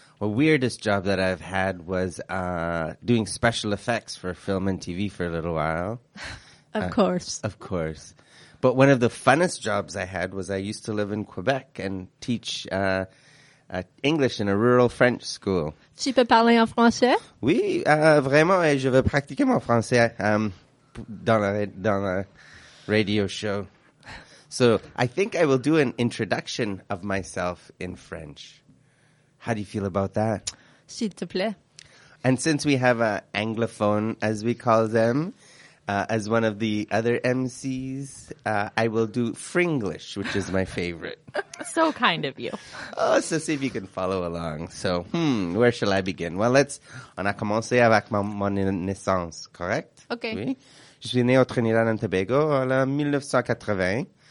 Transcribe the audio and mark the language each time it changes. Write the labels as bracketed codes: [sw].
[en] Well, weirdest job that I've had was doing special effects for film and TV for a little while. Of course. But one of the funnest jobs I had was I used to live in Quebec and teach English in a rural French school. [fr] Tu peux parler en français? Oui, vraiment, et je veux pratiquer mon français dans la radio show. [en] So I think I will do an introduction of myself in French. How do you feel about that? [fr] S'il te plaît. [en] And since we have an anglophone, as we call them, as one of the other MCs, I will do Fringlish, which is my favorite. So kind of you. Oh, so see if you can follow along. So, where shall I begin? [fr] Well, on a commencé avec mon naissance, correct? [en] Okay. [fr] Oui? Je suis né au Trinidad et Tobago en 1980.